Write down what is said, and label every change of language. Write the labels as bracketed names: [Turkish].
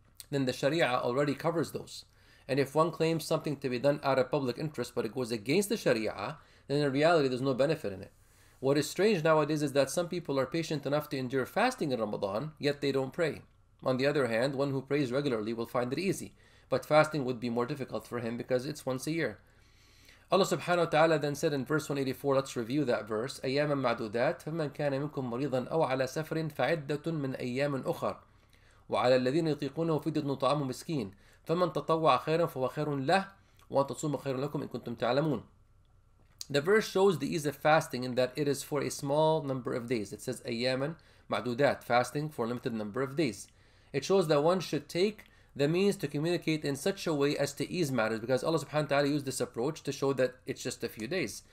[English] then the Sharia already covers those. And if one claims something to be done out of public interest, but it goes against the Sharia, then in reality, there's no benefit in it. What is strange nowadays is that some people are patient enough to endure fasting in Ramadan, yet they don't pray. On the other hand, one who prays regularly will find it easy, but fasting would be more difficult for him because it's once a year. Allah subhanahu wa ta'ala then said in verse 184, let's review that verse, [Arabic] أَيَّامًا مَعْدُودَاتٍ فَمَنْ كَانَ مِنْكُمْ مَرِيضًا أَوْ عَلَى سَفَرٍ فَعِدَّةٌ مِنْ أَيَّامٍ أُخَرٍ وَعَلَى الَّذِينَ يُطِيقُونَهُ فِدْيَةٌ طَعَامُ مِسْكِينٍ فَمَنْ تَطَوَّعَ خَيْرًا فَهُوَ خَيْرٌ لَهُ وَأَنْ تَصُومَ خَيْرٌ لَكُمْ إِنْ كُنْتُمْ تَعْلَمُونَ. [English] The verse shows the ease of fasting in that it is for a small number of days. It says [Arabic] أَيَّامًا مَعْدُودَاتٍ, [English] fasting for a limited number of days. It shows that one should take the means to communicate in such a way as to ease matters, because Allah subhanahu wa ta'ala used this approach to show that it's just a few days.